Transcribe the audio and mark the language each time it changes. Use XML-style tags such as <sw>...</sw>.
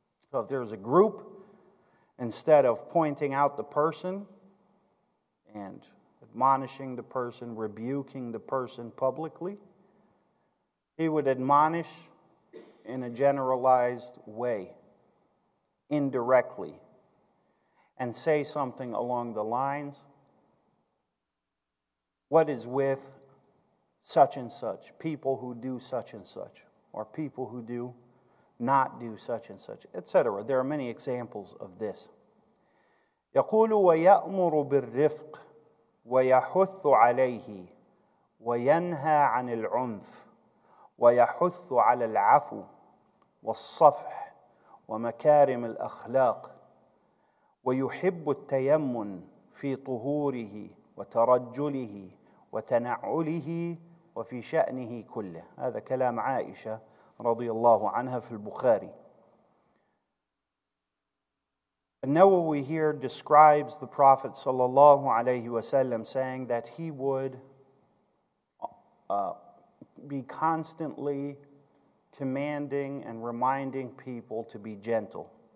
<en>So if there's a group, instead of pointing out the person and admonishing the person, rebuking the person publicly, he would admonish in a generalized way, indirectly, and say something along the lines, what is with such and such, people who do such and such, or people who do not do such and such, etc. There are many examples of this.</en> <ar>يقول ويأمر بالرفق ويحث عليه وينهى عن العنف ويحث على العفو والصفح ومكارم الأخلاق ويحب التيمن في طهوره وترجله وتنعله وفي شأنه كله. هذا كلام عائشة رضي الله عنها في البخاري.</ar> <en>النووي here describes the Prophet</en> <ar>صلى الله عليه وسلم</ar> <en>saying that he would be constantly commanding and reminding people to be gentle.</en>